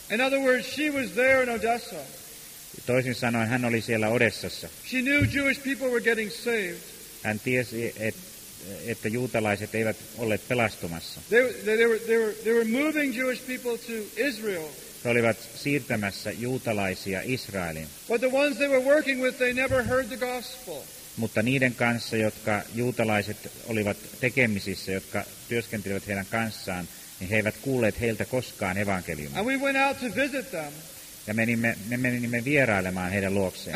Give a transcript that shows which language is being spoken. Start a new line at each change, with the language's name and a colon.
English: In other words, she was there in Odessa.
Finnish: Toisin sanoen hän oli siellä Odessassa.
English: She knew Jewish people were getting saved.
Finnish: Hän tiesi, että juutalaiset eivät olleet pelastumassa.
English: They were moving Jewish people to Israel.
Finnish: He olivat siirtämässä juutalaisia Israeliin.
English: But the ones they were working with, they never heard the gospel.
Finnish: Mutta niiden kanssa, jotka juutalaiset olivat tekemisissä, jotka työskentelivät heidän kanssaan, niin he eivät kuulleet heiltä koskaan evankeliumia.
English: And we went out to visit them.
Finnish: Ja me menimme vierailemaan heidän luokseen.